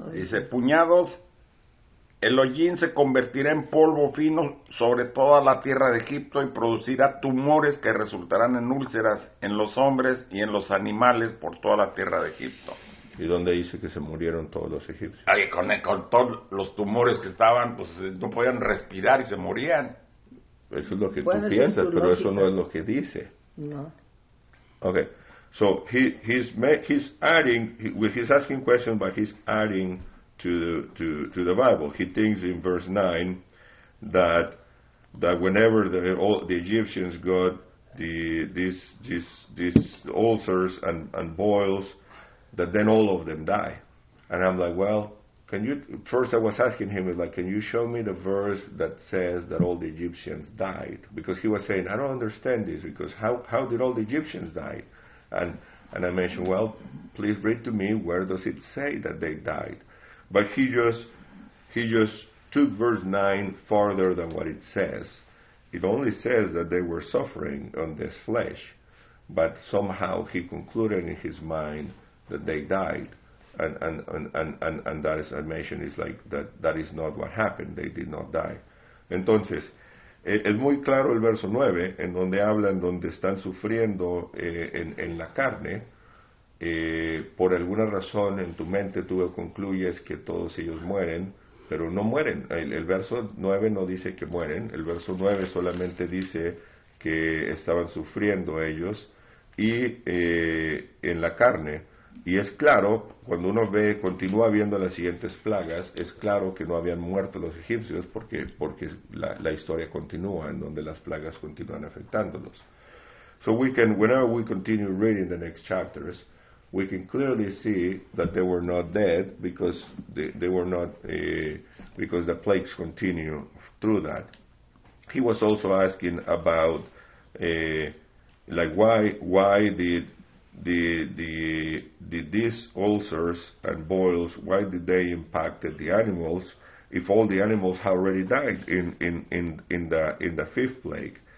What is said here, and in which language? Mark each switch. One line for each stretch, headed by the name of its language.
Spanish: Dice, puñados, el hollín se convertirá en polvo fino sobre toda la tierra de Egipto y producirá tumores que resultarán en úlceras en los hombres y en los animales por toda la tierra de Egipto. ¿Y dónde dice que se murieron todos los egipcios? Ay, con todos los tumores que estaban, pues no podían respirar y se morían. Eso es lo que tú piensas, pero eso no es lo que dice. No. Okay.
English: So he's adding, he's asking questions, but he's adding to the Bible. He thinks in verse 9 that whenever the Egyptians got these ulcers and boils, that then all of them die. And I'm like, well, can you show me the verse that says that all the Egyptians died? Because he was saying, I don't understand this, because how did all the Egyptians die? And I mentioned, well, please read to me, where does it say that they died? But he just took verse 9 farther than what it says. It only says that they were suffering on this flesh, but somehow he concluded in his mind that they died. And that is, I mentioned, is like that is not what happened. They did not die.
Spanish: Entonces, es muy claro el verso 9, en donde hablan donde están sufriendo en la carne. Por alguna razón en tu mente tú concluyes que todos ellos mueren, pero no mueren. El verso 9 no dice que mueren. El verso 9 solamente dice que estaban sufriendo ellos y en la carne. Y es claro, cuando uno ve, continúa viendo las siguientes plagas, es claro que no habían muerto los egipcios, porque la historia continúa, en donde las plagas continúan afectándolos.
English: So we can, whenever we continue reading the next chapters, we can clearly see that they were not dead, because they were not, because the plagues continue through that. He was also asking about, why did the these ulcers and boils, why did they impact the animals if all the animals had already died in the fifth plague?